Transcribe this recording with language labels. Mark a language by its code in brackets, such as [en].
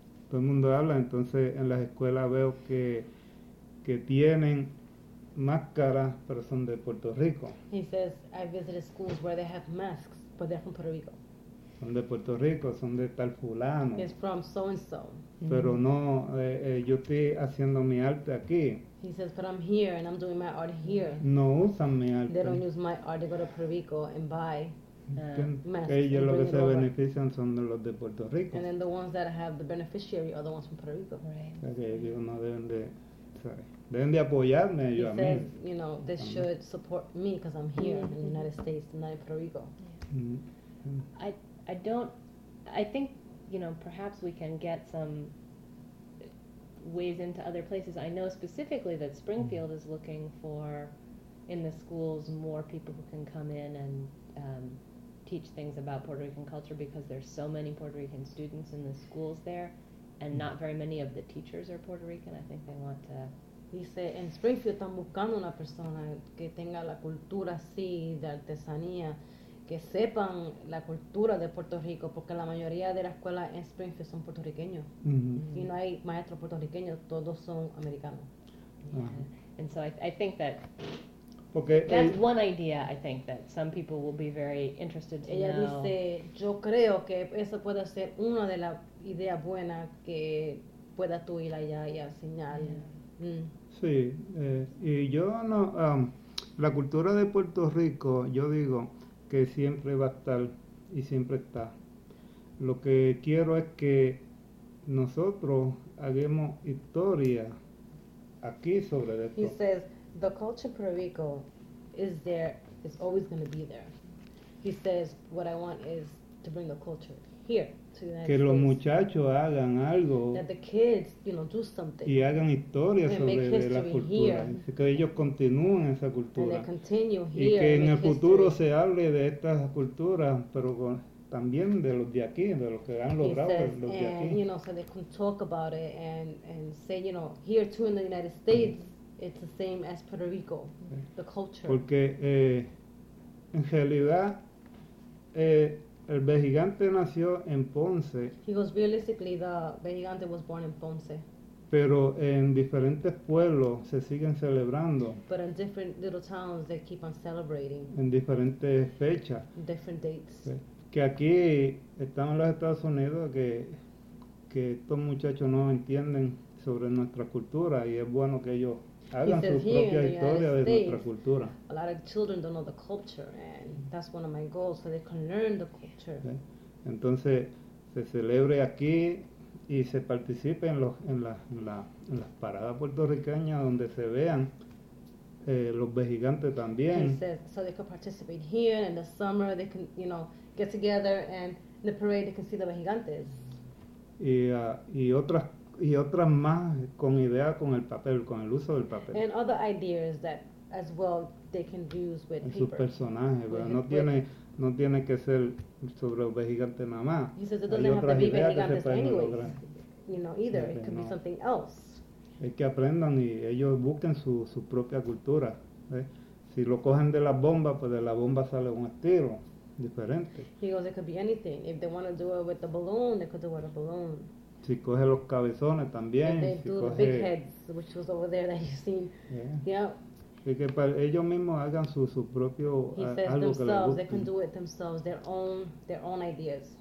[es] Todo el mundo habla, entonces en las escuelas veo que tienen máscaras, pero son de Puerto Rico. [en] He says, I visited schools where they have masks, but they're from Puerto Rico. [es] Son de Puerto Rico, son de tal fulano. [en] It's from so-and-so. [es] Pero no, yo estoy haciendo mi arte aquí. [en] He says, but I'm here and I'm doing my art here. [es] No usan mi arte. [en] They don't use my art, they go to Puerto Rico and buy masks. [es] Ellos lo que se benefician son los de Puerto Rico. [en] And then the ones that have the beneficiary are the ones from Puerto Rico. Right. [es] Okay, ellos no deben de, sorry. Deben de apoyarme ellos a mí. [en] He says, you know, they should support me because I'm here in the United States, not in Puerto Rico. I think, you know, perhaps we can get some ways into other places. I know specifically that Springfield is looking for in the schools more people who can come in and teach things about Puerto Rican culture, because there's so many Puerto Rican students in the schools there, and not very many of the teachers are Puerto Rican. I think they want to... [es] Dice, en Springfield están buscando una persona que tenga la cultura así de artesanía, que sepan la cultura de Puerto Rico, porque la mayoría de las escuelas en Springfield son puertorriqueños. Mm-hmm. Y no hay maestros puertorriqueños, todos son americanos. [en] And so I think that... [es] Porque [en] that's one idea, I think, that some people will be very interested to [es] ella [en] know. [es] Ella dice, yo creo que eso puede ser una de las ideas buenas que pueda tú ir allá y enseñar. [en] Yeah. [es] Sí, y yo no, la cultura de Puerto Rico, yo digo que siempre va a estar y siempre está. Lo que quiero es que nosotros hagamos historia aquí sobre esto. [en] He says, the culture Puerto Rico is there, is always going to be there. He says, what I want is to bring the culture here. [es] Que los muchachos hagan algo, [en] that the kids, you know, do something, [es] y hagan historia sobre la cultura, que ellos continúen esa cultura, y que en el futuro se hable de estas culturas, pero también de los de aquí, de los que han logrado los de aquí. [en] You know, so they can talk about it and say, you know, here too in the United States, it's the same as Puerto Rico, the culture. [es] Porque en realidad el Vejigante nació en Ponce. [en] He goes, realistically, the Vejigante was born in Ponce. [es] Pero en diferentes pueblos se siguen celebrando. [en] But in different little towns, they keep on celebrating. [es] En diferentes fechas. [en] Different dates. [es] Que aquí estamos en los Estados Unidos, que estos muchachos no entienden sobre nuestra cultura, y es bueno que ellos hagan su propia historia de nuestra cultura. [en] A lot of children don't know the culture, and that's one of my goals, so they can learn the culture. [es] ¿Sí? Entonces, se celebre aquí y se participe en las paradas puertorriqueñas, donde se vean los Vejigantes también. [en] He says, so they can participate here in the summer, they can, you know, get together, and in the parade they can see the Vejigantes. [es] Y otras más con idea con el papel, con el uso del papel. [en] And other ideas that as well they can use with paper. [es] Sus personajes, pero no tiene que ser sobre los Vejigantes nada más. [en] He says it doesn't have to be Vejigantes anyways, you know, either. It could be something else. [es] Es que aprendan y ellos busquen su propia cultura. ¿Eh? Si lo cogen de la bomba, pues de la bomba sale un estilo diferente. [en] He goes, it could be anything. If they want to do it with the balloon, they could do it with a balloon. [es] Si coge los cabezones también, si coge... [en] The big heads, which was over there that you seen. Yeah. [es] Yep. Y que para ellos mismos hagan su propio algo que les guste. [en] They can do it themselves, their own ideas.